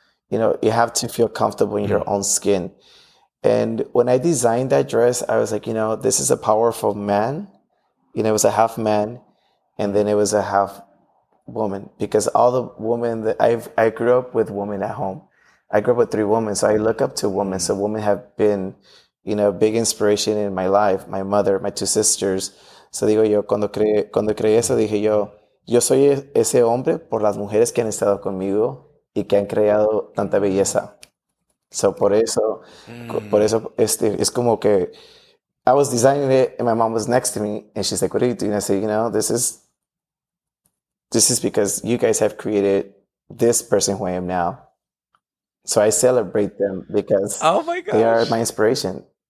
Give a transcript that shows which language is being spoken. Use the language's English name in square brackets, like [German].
[English] You know, you have to feel comfortable in your own skin. And when I designed that dress, I was like, you know, this is a powerful man. You know, it was a half man, and then it was a half woman, because all the women that I grew up with, women at home. I grew up with three women, so I look up to women. So women have been, you know, big inspiration in my life. My mother, my two sisters. [Spanish] So digo yo, cuando creé eso, dije yo, yo soy ese hombre por las mujeres que han estado conmigo y que han creado tanta belleza. So por eso, es como que, [English] I was designing it and my mom was next to me and she's like, what are you doing? I said, you know, this is because you guys have created this person who I am now. So I celebrate them because they are my inspiration.